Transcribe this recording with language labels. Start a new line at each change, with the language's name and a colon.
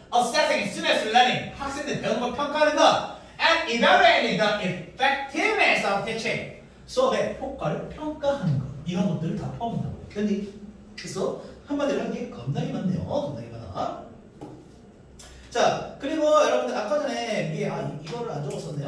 English: assessing students learning
Korean: 학생들 배운 걸 평가하는 것.
English: and evaluating the effectiveness of teaching
Korean: 수업의 효과를 평가하는 것. 이런 것들을 다 포함한다고. 근데 그래서 한마디로 한게 겁나게 많네요. 겁나게 많아. 자, 그리고 여러분들 아까 전에 위에 이거를 안 적었었네요.